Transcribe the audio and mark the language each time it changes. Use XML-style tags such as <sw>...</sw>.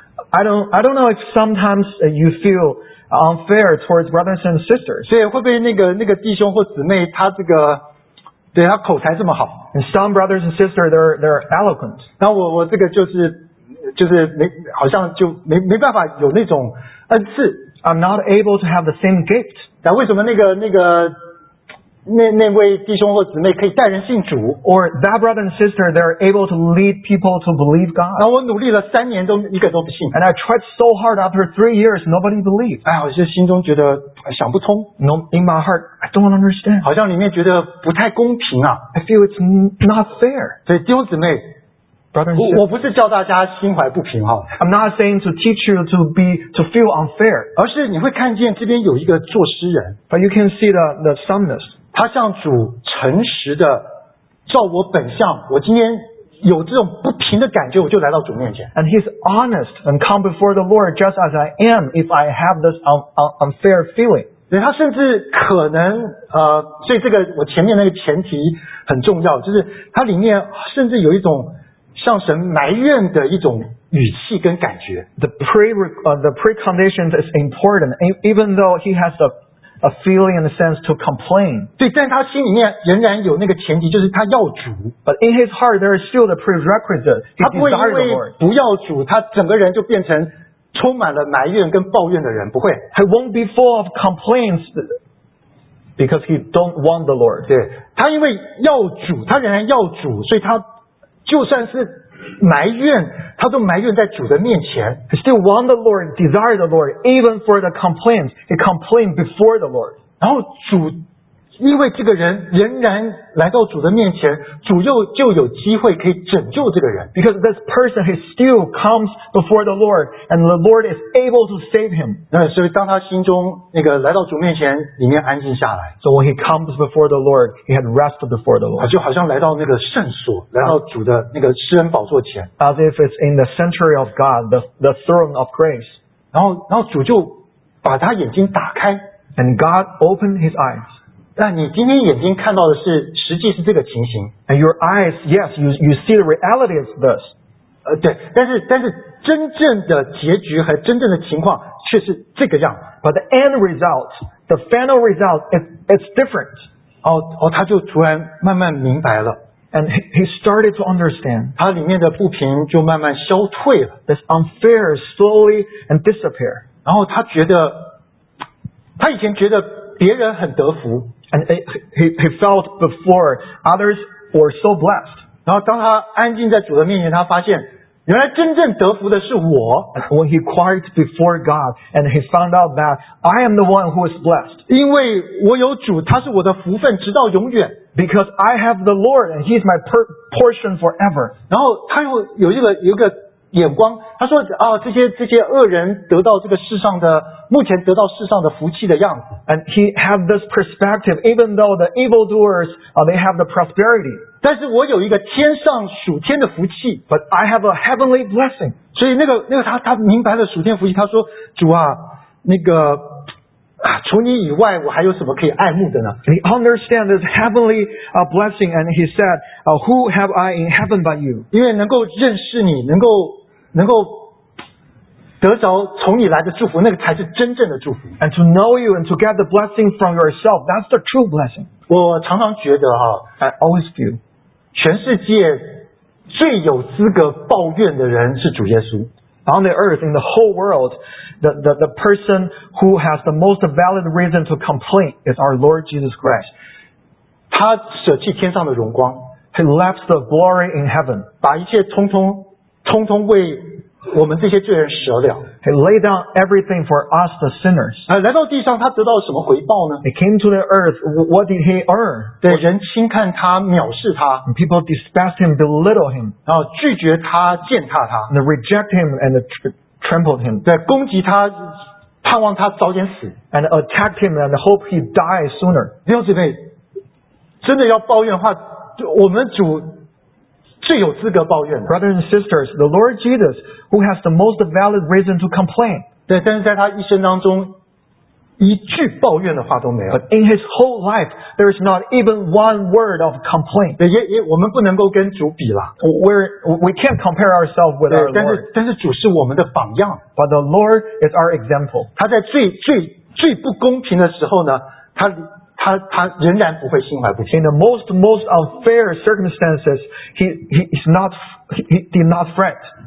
<en>I don't know if sometimes you feel unfair towards brothers and sisters.</en> <zh>对，会不会那个弟兄或姊妹他这个对他口才这么好。</zh> <en>And some brothers and sisters, they're eloquent.</en> <zh>那我这个就是没，好像就没办法有那种恩赐。</zh> <en>I'm not able to have the same gift.</en> <zh>但为什么那个那位弟兄或姊妹可以带人信主</zh> <en>or that brother and sister they're able to lead people to believe God</en> <zh>然后我努力了三年都一个都不信</zh> <en>and I tried so hard after 3 years nobody believed</en> <zh>哎，我就心中觉得想不通</zh> <en>no, in my heart I don't understand</en> <zh>好像里面觉得不太公平啊</zh> <en>I feel it's not fair</en> <zh>所以弟兄姊妹</zh> <en>brother and sister</en> <zh>我不是叫大家心怀不平啊</zh> <en>I'm not saying to teach you to feel unfair</en> <zh>而是你会看见这边有一个作诗人</zh> <en>but you can see the psalmist</en> <zh>他向主诚实的照我本相我今天有这种不平的感觉我就来到主面前</zh> <en>and he's honest and come before the Lord just as I am if I have this unfair feeling</en> <zh>对他甚至可能所以这个我前面那个前提很重要就是他里面甚至有一种向神埋怨的一种语气跟感觉</zh> <en>the precondition is important even though he has a feeling in a sense to complain.</en> <zh>对，但他心里面仍然有那个前提，就是他要主。</zh> <en>But in his heart, there is still the prerequisite.</en> <zh>他不会因为不要主，他整个人就变成充满了埋怨跟抱怨的人，不会。</zh> <en>He won't be full of complaints because he don't want the Lord.</en> <zh>对，他因为要主，他仍然要主，所以他就算是埋怨，他都埋怨在主的面前。</zh> <en>He still want the Lord, desire the Lord, even for the complaints. He complained before the Lord.</en> <zh>然后主，因为这个人仍然来到主的面前，主又就有机会可以拯救这个人。</zh> <en>Because this person, he still comes before the Lord, and the Lord is able to save him.</en> <zh>所以当他心中那个来到主面前，里面安静下来。</zh> <en>So when he comes before the Lord, he had rest before the Lord.</en> <zh>就好像来到那个圣所，来到主的那个施恩宝座前。</zh> <en>As if it's in the sanctuary of God, the throne of grace.</en> <zh>然后主就把他眼睛打开。</zh> <en>And God opened his eyes.</en> <zh>那你今天眼睛看到的是实际是这个情形</zh> <en>And your eyes, yes, you see the reality of this</en> <zh>对但是真正的结局和真正的情况却是这个样</zh> <en>But the end result, the final result, it's different</en> <zh>他就突然慢慢明白了</zh> <en>And he started to understand</en> <zh>他里面的不平就慢慢消退了</zh> <en>This unfair slowly and disappear</en> <zh>然后他觉得他以前觉得别人很得福</zh> <en>and he felt before others were so blessed</en> <zh>然后当他安静在主的面前他发现原来真正得福的是我</zh> <en>and when he quiet before God and he found out that I am the one who is blessed</en> <zh>因为我有主他是我的福分直到永远</zh> <en>because I have the Lord and he is my portion forever</en> <zh>然后他又有一个眼光他说、哦、这些恶人得到这个世上的目前得到世上的福气的样子</zh> <en>and he have this perspective even though the evildoers、they have the prosperity</en> <zh>但是我有一个天上属天的福气</zh> <en>but I have a heavenly blessing</en> <zh>所以那个他明白了属天福气他说主啊那个啊、除你以外我还有什么可以爱慕的呢</zh> <en>He understands this heavenly blessing and he said Who have I in heaven but you</en> <zh>因为能够认识你能够得着从你来的祝福那个才是真正的祝福</zh> <en>And to know you and to get the blessing from yourself That's the true blessing</en> <zh>我常常觉得、啊、</zh> <en>I always feel</en> <zh>全世界最有资格抱怨的人是主耶稣</zh> <en>On the earth, in the whole worldThe person who has the most valid reason to complain is our Lord Jesus Christ.</en> <zh>他舍弃天上的荣光</zh> <en>He left the glory in heaven.</en> <zh>把一切通通为我们这些罪人舍了</zh> <en>He laid down everything for us the sinners.</en> <zh>来到地上他得到什么回报呢</zh> <en>He came to the earth. What did he earn?</en> <zh>对人轻看他藐视他</zh> <en>And people despised him, belittle him.</en> <zh>然后拒绝他践踏他</zh> <en>And they reject him and trampled him</en> <zh>对攻击他盼望他早点死</zh> <en>and attacked him and hope he dies sooner</en> <zh>弟兄姊妹真的要抱怨的话我们主最有资格抱怨</zh> <en>brothers and sisters the Lord Jesus who has the most valid reason to complain</en> <zh>对但是在他一生当中一句抱怨的话都没有</zh> <en>but in his whole life there is not even one word of complaint</en> <zh>对 也我们不能够跟主比了</zh> <en>we can't compare ourselves with our Lord</en> <zh>但是主是我们的榜样</zh> <en>but the Lord is our example</en> <zh>他在最最最不公平的时候呢他仍然不会心怀不平</zh> <en>in the most unfair circumstances he did not fret</en>